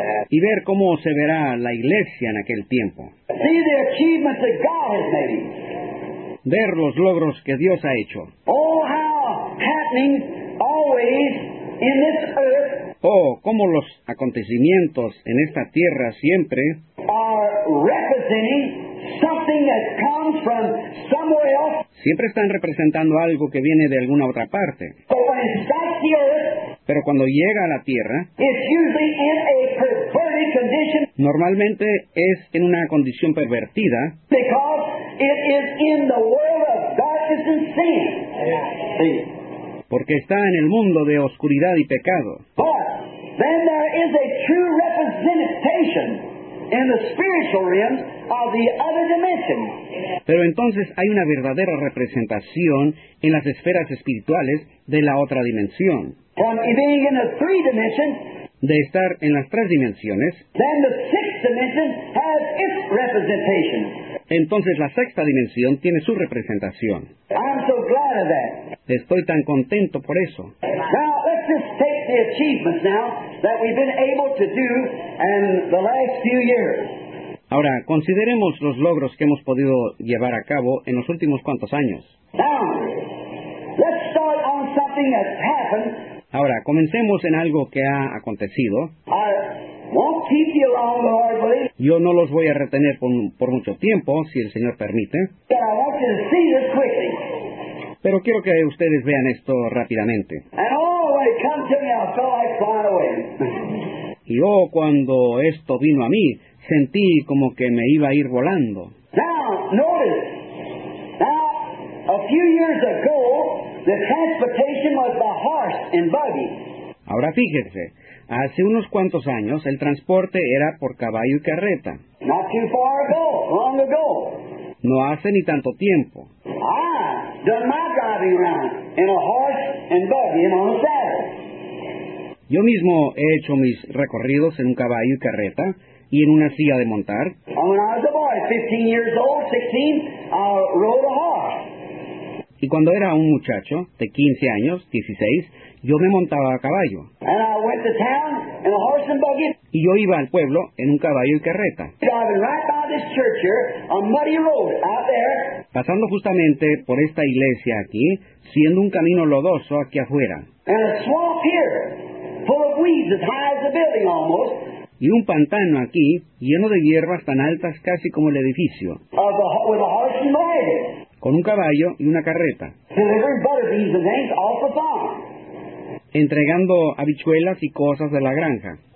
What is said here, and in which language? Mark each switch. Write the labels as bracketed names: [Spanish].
[Spanish] Y ver cómo se verá la iglesia en aquel tiempo. [English] See the achievements that God has made. [Spanish] Ver los logros que Dios ha hecho. [English] Oh, how happening always in this earth. [Spanish] Oh, cómo los acontecimientos en esta tierra siempre [English] are representing something that comes from somewhere else. [Spanish] Siempre están representando algo que viene de alguna otra parte. [English] But when it's back here, [Spanish] pero cuando llega a la tierra, [English] it's usually in a perverted condition. [Spanish] Normalmente es en una condición pervertida. [English] Because it is in the world of darkness and sin. [Spanish] Sí. Porque está en el mundo de oscuridad y pecado. [English] But then there is a true representation in the spiritual realm of the other dimension. [Spanish] Pero entonces hay una verdadera representación en las esferas espirituales de la otra dimensión. [English] From being in a three dimension, [Spanish] de estar en las tres dimensiones, [English] then the sixth dimension has its representation. [Spanish] Entonces la sexta dimensión tiene su representación. [English] I'm so glad of that. [Spanish] Estoy tan contento por eso. [English] Now, let's just take the achievements now that we've been able to do in the last few years. [Spanish] Ahora, consideremos los logros que hemos podido llevar a cabo en los últimos cuantos años. [English] Now, let's start on something that's happened. [Spanish] Ahora, comencemos en algo que ha acontecido. [English] I won't keep you long, Lord, believe. [Spanish] Yo no los voy a retener por mucho tiempo, si el Señor permite. [English] But I want you to see this quickly. [Spanish] Pero quiero que ustedes vean esto rápidamente. [English] And oh, when it comes to me, I felt like flying away. [Spanish] Y oh, cuando esto vino a mí, sentí como que me iba a ir volando. [English] Now, notice. Now, a few years ago, the transportation was by horse and buggy. [Spanish] Ahora fíjense, hace unos cuantos años el transporte era por caballo y carreta. [English] Not too far ago, long ago. [Spanish] No hace ni tanto tiempo. [English] I done my driving around in a horse and buggy and on a saddle. [Spanish] Yo mismo he hecho mis recorridos en un caballo y carreta y en una silla de montar. [English] And when I was a boy, 15 years old, 16, I rode a horse. [Spanish] Y cuando era un muchacho de 15 años, 16, yo me montaba a caballo. [English] And I went to town in a horse and buggy. [Spanish] Y yo iba al pueblo en un caballo y carreta. [English] Driving right by this church here, a muddy road out there. [Spanish] Pasando justamente por esta iglesia aquí, siendo un camino lodoso aquí afuera. [English] And a swamp here, full of weeds as high as the building almost. [Spanish] Y un pantano aquí, lleno de hierbas tan altas casi como el edificio. [English] With a horse and buggy. [Spanish] Con un caballo y una carreta. [English] Delivering butterbeans and things off the farm. [Spanish] Entregando habichuelas y cosas de la granja.